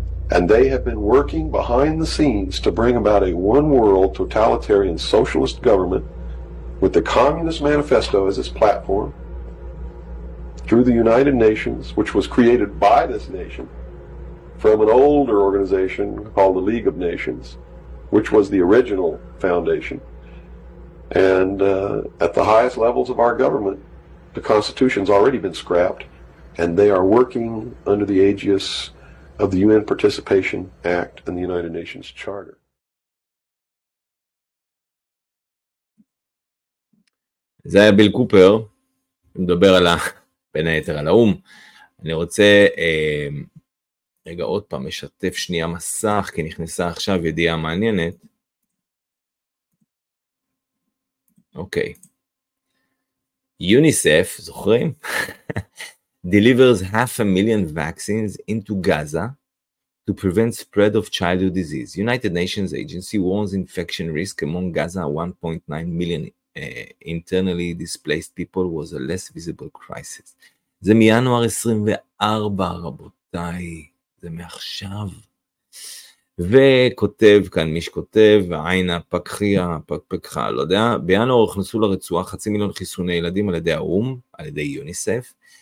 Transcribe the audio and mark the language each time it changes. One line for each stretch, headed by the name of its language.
English: And they have been working behind the scenes to bring about a one-world totalitarian socialist government with the Communist Manifesto as its platform through the United Nations, which was created by this nation from an older organization called the League of Nations, which was the original foundation. And at the highest levels of our government, the Constitution's already been scrapped, and they are working under the aegis of the UN Participation Act and the United Nations Charter.
Hebrew: זה היה ביל קופר, מדבר על בין היתר על האום. אני רוצה, רגע עוד פעם, משתף שנייה מסך, כי נכנסה עכשיו ידיעה מעניינת. אוקיי. יוניסף, זוכרים?
English: delivers half a million vaccines into Gaza to prevent spread of childhood disease. United Nations agency warns infection risk among Gaza 1.9 million internally displaced people was a less visible crisis.
Hebrew: זה מינואר 24, רבותיי, זה מעכשיו. וכותב כאן, מי שכותב, עין הפקחיה, פקפקחה, לא יודע, בינואר הכנסו לרצועה 500,000 חיסוני ילדים על ידי האום, על ידי יוניסף.